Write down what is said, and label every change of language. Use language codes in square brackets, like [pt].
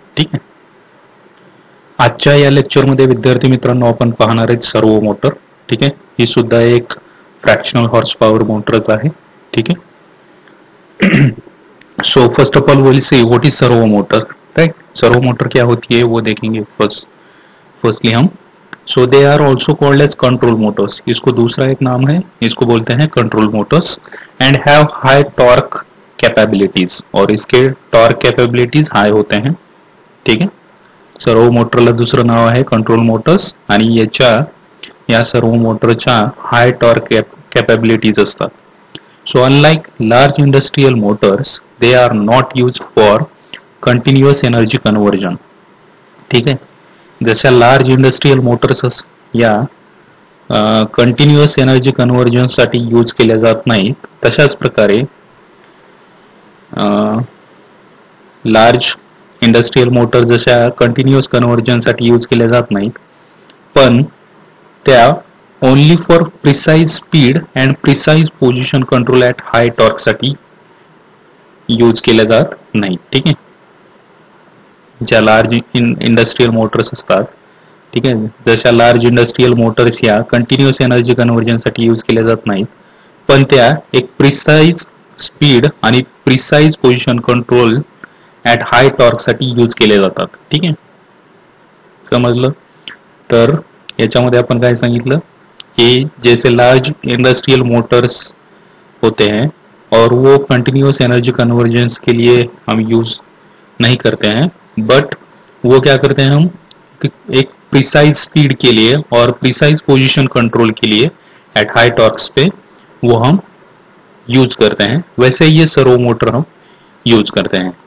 [mr] ठीक आहे, आजच्या या लेक्चरमध्ये विद्यार्थी मित्रांनो आपण पाहणार आहेत सर्वो मोटर. ठीक आहे, ही सुद्धा एक फ्रॅक्शनल हॉर्स पॉवर मोटरच आहे. ठीक आहे, [en] So first of all will see what is servo motor. [hi] Servo motor क्या होती है वो देखेंगे फर्स्टली हम. [en] so they are also called as control motors, [hi] इसको दूसरा एक नाम है, इसको बोलते हैं control Motors, [en] and have high torque capabilities, [hi] और इसके टॉर्क कैपेबिलिटीज हाई होते हैं. ठीक है, [mr] सर्वो मोटरला दूसरा नाव है कंट्रोल मोटर्स, आणि याचा या सर्वो मोटरचा हाई टॉर्क कैपेबिलिटीज असतात. [en] So unlike large industrial motors they are not use for continuous energy conversion. [mr] ठीक आहे, जशा लार्ज इंडस्ट्रियल मोटर्स या कंटिन्युअस एनर्जी कन्वर्जनसाठी यूज केल्या जात नाहीत, तशाच प्रकारे लार्ज इंडस्ट्रियल मोटर जशा कंटिन्युअस कन्वर्जनसाठी यूज केल्या जात नाहीत, पण त्या [en] only for precise speed and precise position control at high [mr] टॉर्कसाठी use केल्या जात नाहीत. ठीक आहे, ज्या लार्ज इंडस्ट्रियल मोटर्स असतात. ठीक आहे, जशा लार्ज इंडस्ट्रियल मोटर्स या कंटिन्युअस एनर्जी कन्वर्जनसाठी यूज केल्या जात नाहीत, पण त्या एक प्रिसाईज स्पीड आणि precise position control at high टॉर्कसाठी use केले जातात. ठीक आहे, समजलं? [hi] तर याच्यामध्ये आपण काय सांगितलं की जैसे लार्ज इंडस्ट्रियल मोटर्स होते हैं और वो कंटिन्युअस एनर्जी कन्वर्जन्स के लिए हम यूज नहीं करते हैं, बट वो क्या करते हैं हम एक प्रिसाइज स्पीड के लिए और प्रिसाइज पोजिशन कंट्रोल के लिए एट हाई टॉर्क्स पे वो हम यूज करते हैं, वैसे ही ये सर्वो मोटर हम यूज करते हैं.